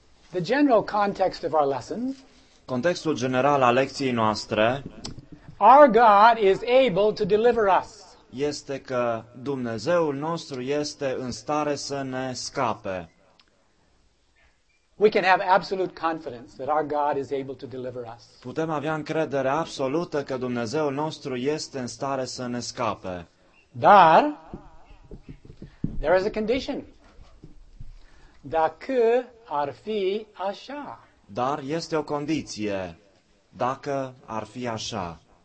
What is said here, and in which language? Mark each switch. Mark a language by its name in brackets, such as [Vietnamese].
[English] The general context of our lesson. [Romanian] Contextul general al lecției noastre. [English] Our God is able to deliver us. [Romanian] Este că Dumnezeul nostru este în stare să ne scape. [English] We can have absolute confidence that our God is able to deliver us. [Romanian] Putem avea încredere absolută că Dumnezeul nostru este în stare să ne scape. Dar [English] there is a condition. [Romanian] Dacă ar fi așa. Dar este o condiție. Dacă ar fi așa.